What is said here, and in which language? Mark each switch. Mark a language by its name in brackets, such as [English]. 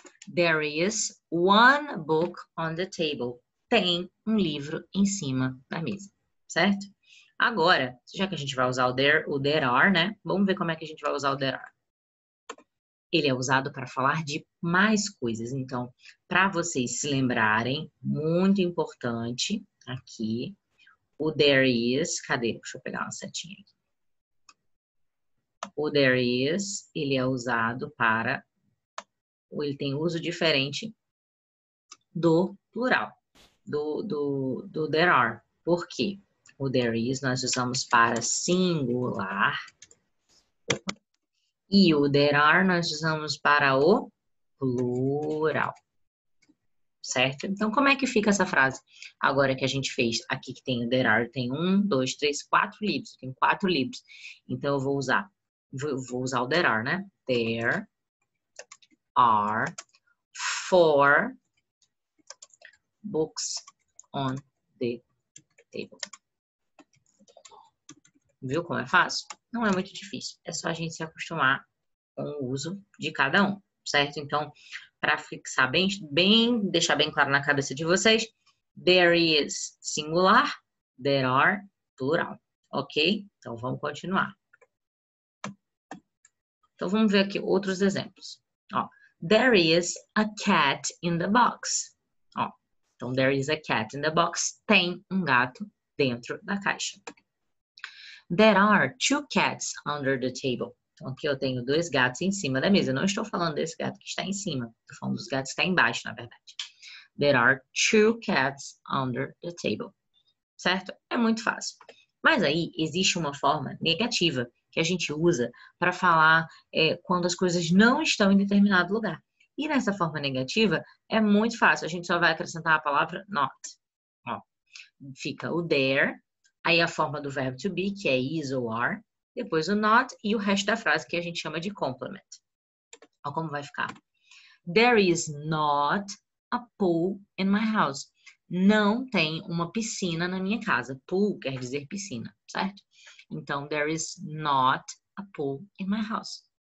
[English] There is one book on the table. [Portuguese] Tem um livro em cima da mesa, certo? Agora, já que a gente vai usar o there are, né? Vamos ver como é que a gente vai usar o there are. Ele é usado para falar de mais coisas. Então, para vocês se lembrarem, muito importante aqui, o there is. Cadê? Deixa eu pegar uma setinha aqui. O there is, ele é usado para. Ou ele tem uso diferente do plural, do there are. Por quê? O there is nós usamos para singular. E o there are nós usamos para o plural. Certo? Então, como é que fica essa frase? Agora que a gente fez aqui que tem o there are, tem um, dois, três, quatro livros. Tem quatro livros. Então, eu vou usar o there are, né? [English] There are four books on the table. [Portuguese] Viu como é fácil? Não é muito difícil. É só a gente se acostumar com o uso de cada um, certo? Então, para fixar bem, deixar bem claro na cabeça de vocês, there is singular, there are plural, ok? Então, vamos continuar. Então, vamos ver aqui outros exemplos. Ó. [English] There is a cat in the box. [Portuguese] Ó, então, [English] there is a cat in the box. [Portuguese] Tem um gato dentro da caixa. [English] There are two cats under the table. [Portuguese] Então, aqui eu tenho dois gatos em cima da mesa. Não estou falando desse gato que está em cima. Estou falando dos gatos que estão embaixo, na verdade. [English] There are two cats under the table. [Portuguese] Certo? É muito fácil. Mas aí existe uma forma negativa que a gente usa para falar quando as coisas não estão em determinado lugar. E nessa forma negativa, é muito fácil. A gente só vai acrescentar a palavra not. Ó. Fica o there, aí a forma do verbo to be, que é is ou are, depois o not e o resto da frase que a gente chama de complement. Olha como vai ficar. [English] There is not a pool in my house. [Portuguese] Não tem uma piscina na minha casa. Pool quer dizer piscina, certo? Então, [English] there is not a pool in my house.